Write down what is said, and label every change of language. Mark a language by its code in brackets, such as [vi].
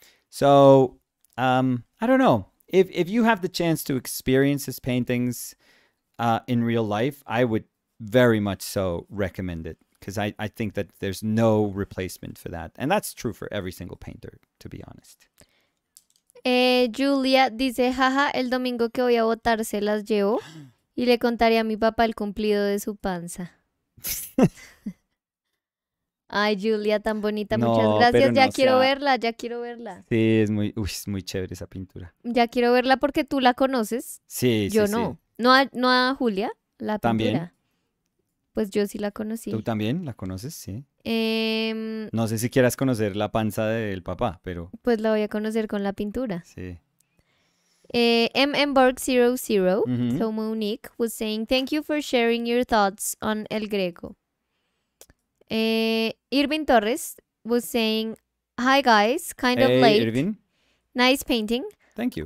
[en] So, I don't know. If you have the chance to experience his paintings in real life, I would very much so recommend it. Because I think that there's no replacement for that. And that's true for every single painter, to be honest. [es] Julia dice, jaja, el domingo que voy a votar se las llevo. Y le contaré a mi papá el cumplido de su panza. Ay, Julia, tan bonita. Muchas gracias. No, ya quiero verla. Sí, es muy, uy, es muy chévere esa pintura. Ya quiero verla porque tú la conoces. Sí, yo sí, no. Sí. No, a Julia, la pintura. ¿También? Pues yo sí la conocí. ¿Tú también la conoces? Sí. No sé si quieras conocer la panza del papá, pero... Pues la voy a conocer con la pintura. Sí. [en] MMBorg00, so Monique, was saying, thank you for sharing your thoughts on El Greco. Irvin Torres was saying, hi guys, kind of late. Hey, Irvin. Nice painting. Thank you.